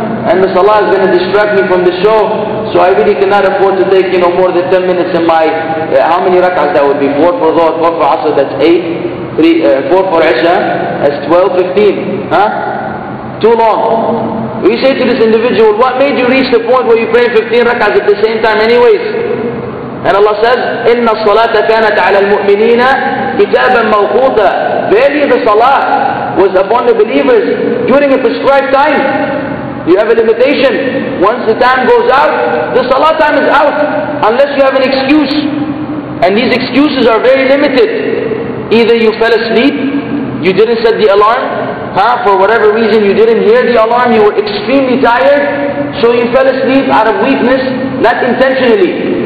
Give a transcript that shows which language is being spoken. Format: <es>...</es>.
<en>And the salah is going to distract me from the show. So I really cannot afford to take, you know, more than 10 minutes in my, how many rak'ahs that would be? 4 for dhuhr, 4 for asr, that's 8. 4 for isha, that's 12, 15. Huh? Too long. We say to this individual, what made you reach the point where you pray 15 rak'ahs at the same time anyways? And Allah says,</en> <ar>إِنَّ الصَّلَاةَ كَانَتْ عَلَى الْمُؤْمِنِينَ كِتَابًا مَوْقُوتًا.</ar> <en>Barely the salah was upon the believers during a prescribed time. You have a limitation. Once the time goes out, the salah time is out. Unless you have an excuse. And these excuses are very limited. Either you fell asleep, you didn't set the alarm, for whatever reason you didn't hear the alarm, you were extremely tired, so you fell asleep out of weakness, not intentionally.</en>